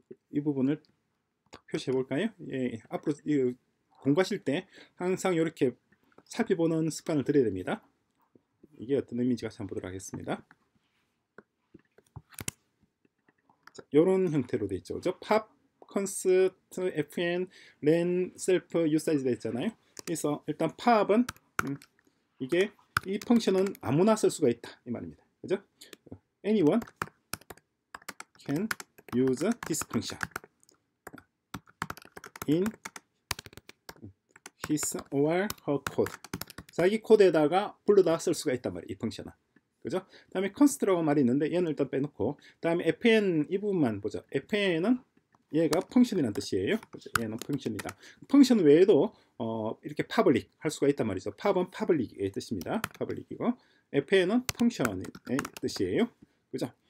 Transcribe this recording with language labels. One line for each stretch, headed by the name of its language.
Korean: 이 부분을 표시해 볼까요? 예, 앞으로 이 공부하실 때 항상 이렇게 살펴보는 습관을 들여야 됩니다. 이게 어떤 의미인지 같이 한번 보도록 하겠습니다. 자, 요런 형태로 되어 있죠. 그죠? pop, const, fn, len, self, usize 되어 있잖아요. 그래서 일단 pop은 이게 이 펑션은 아무나 쓸 수가 있다 이 말입니다. 그죠?
English: anyone can use this function in his or her code.
Korean: 자기 코드에다가 불러다 쓸 수가 있단 말이에요, 이 펑션은. 그죠? 다음에 const라고 말이 있는데 얘는 일단 빼놓고, 다음에 fn 이 부분만 보죠. fn은 얘가 펑션이란 뜻이에요. 그죠? 얘는 펑션이다. 펑션 외에도 이렇게 public 할 수가 있단 말이죠. pub은 public의 뜻입니다. public이고 fn은 function의 뜻이에요. 그죠?